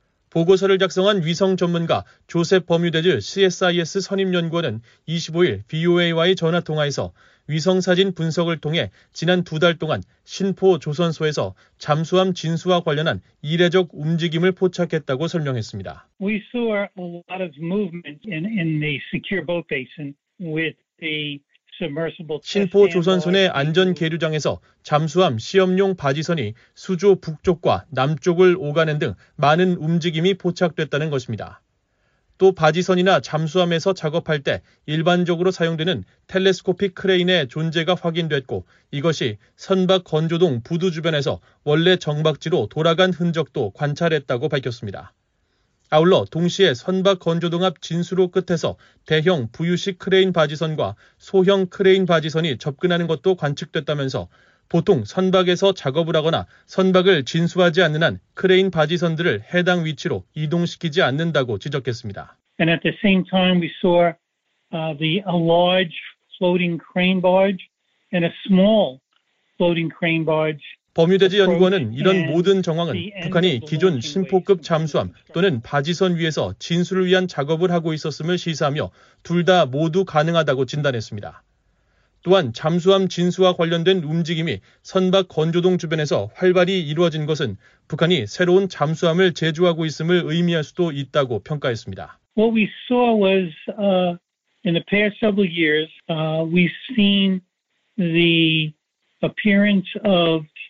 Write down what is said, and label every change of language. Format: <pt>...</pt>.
<ko>보고서를 작성한 위성 전문가 조셉 버뮤데즈 CSIS 선임연구원은 25일 VOA와의 전화통화에서 위성사진 분석을 통해 지난 두 달 동안 신포조선소에서 잠수함 진수와 관련한 이례적 움직임을 포착했다고 설명했습니다.</ko> <en>We saw a lot of movement in the secure boat basin with the</en> <ko>신포 조선선의 안전계류장에서 잠수함 시험용 바지선이 수조 북쪽과 남쪽을 오가는 등 많은 움직임이 포착됐다는 것입니다. 또 바지선이나 잠수함에서 작업할 때 일반적으로 사용되는 텔레스코픽 크레인의 존재가 확인됐고 이것이 선박 건조동 부두 주변에서 원래 정박지로 돌아간 흔적도 관찰했다고 밝혔습니다. 아울러 동시에 선박 건조동 앞 진수로 끝에서 대형 부유식 크레인 바지선과 소형 크레인 바지선이 접근하는 것도 관측됐다면서 보통 선박에서 작업을 하거나 선박을 진수하지 않는 한 크레인 바지선들을 해당 위치로 이동시키지 않는다고 지적했습니다.</ko> <en>And at the same time we saw a large floating crane barge and a small floating crane barge.</en> <ko>버뮤다지 연구원은 이런 모든 정황은 북한이 기존 신포급 잠수함 또는 바지선 위에서 진수를 위한 작업을 하고 있었음을 시사하며 둘 다 모두 가능하다고 진단했습니다. 또한 잠수함 진수와 관련된 움직임이 선박 건조동 주변에서 활발히 이루어진 것은 북한이 새로운 잠수함을 제조하고 있음을 의미할 수도 있다고 평가했습니다.</ko> <en>What we saw was in the past several years we've seen the appearance of</en>